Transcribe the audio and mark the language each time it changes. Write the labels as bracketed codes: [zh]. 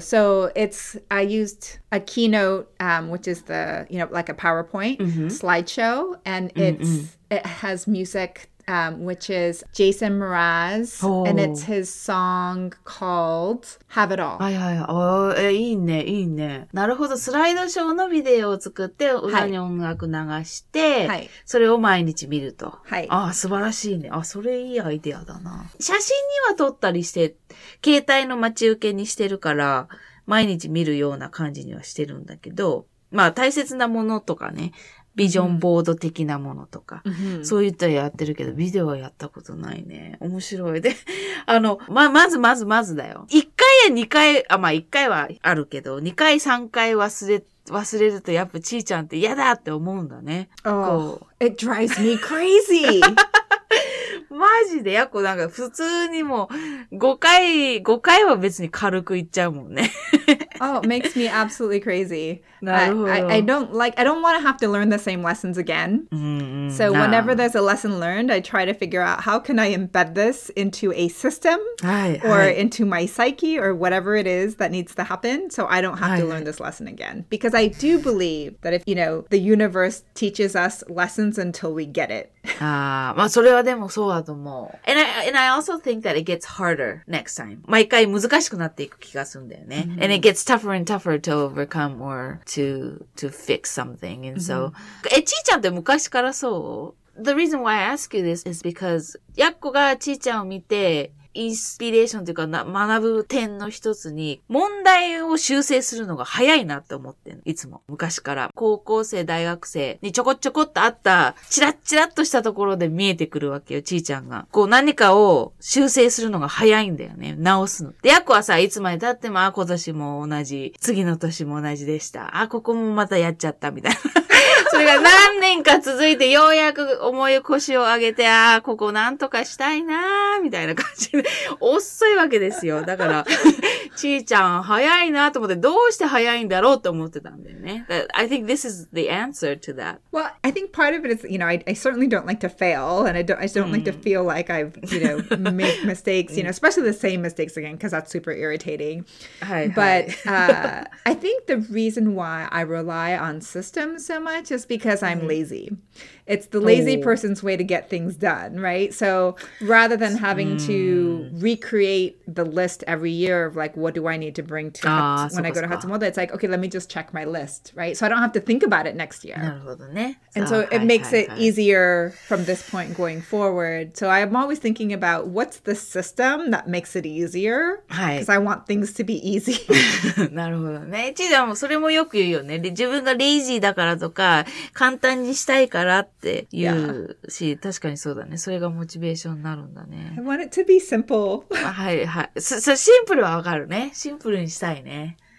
[en] So it's, I used a keynote, which is the, you know, like a PowerPoint slideshow. And it's, it has music. Which is Jason Mraz, and it's his song called Have It All. [ja] はいはい、はい、いいね、いいね。なるほど、スライドショーのビデオを作って、歌に音楽流して、はい、それを毎日見ると。はい、ああ、素晴らしいね。あ、それいいアイデアだな。写真には撮ったりして、携帯の待ち受けにしてるから、毎日見るような感じにはしてるんだけど、まあ、大切なものとかね。ビジョンボード的なものとか、そういったやってるけど、ビデオはやったことないね。面白い。で、あの、まずまずまずだよ。一回や二回、あ、まあ一回はあるけど、二回三回忘れるとやっぱちーちゃんって嫌だって思うんだね。 [en] Oh, it drives me crazy! [ja] マジで、やっぱなんか普通にも5回は別に軽くいっちゃうもんね。 [en] Oh, it makes me absolutely crazy. I don't want to have to learn the same lessons again. So whenever there's a lesson learned, I try to figure out how can I embed this into a system or into my psyche or whatever it is that needs to happen so I don't have to learn this lesson again. Because I do believe that if, you know, the universe teaches us lessons until we get it. [ja] ああ、まあそれはでもそうだと思う。 [en] And I also think that it gets harder next time. [ja] 毎回難しくなっていく気がするんだよね。 Mm-hmm. [en] And it gets tougher and tougher to overcome or to fix something. And so, mm-hmm. [ja] ちーちゃんって昔からそう？ [en] The reason why I ask you this is because [ja] やっこがちーちゃんを見てインスピレーションというか学ぶ点の一つに問題を修正するのが早いなって思ってんいつも昔から高校生大学生にちょこちょこっとあったチラッチラッとしたところで見えてくるわけよちーちゃんがこう何かを修正するのが早いんだよね直すのでやっこはさいつまで経ってもあ今年も同じ次の年も同じでしたあここもまたやっちゃったみたいなそれが何年か続いてようやく思い腰を上げてあーここなんとかしたいなーみたいな感じ遅いわけですよ。だから、ちーちゃん早いなと思って、どうして早いんだろうと思ってたんだよね。 [en] I think this is the answer to that. Well, I think part of it is, you know, I certainly don't like to fail, and I don't like to feel like I've, you know, made mistakes, you know, especially the same mistakes again, because that's super irritating. But I think the reason why I rely on systems so much is because I'm lazy. It's the lazy person's way to get things done, right? So rather than having to recreate the list every year of like, what do I need to bring to when I go to Hatsumoto? It's like, okay, let me just check my list, right? So I don't have to think about it next year. And so it makes it easier from this point going forward. So I'm always thinking about what's the system that makes it easier? Because I want things to be easy. [ja] なるほどね。ちーちゃんもそれもよく言うよね。で、自分がレイジーだからとか、簡単にししたいからっていうし、yeah. 確かにそうだね。それがモチベーションになるんだね。 [en] I want it to be simple. [ja] はいはい。シンプルはわかるね。シンプルにしたいね。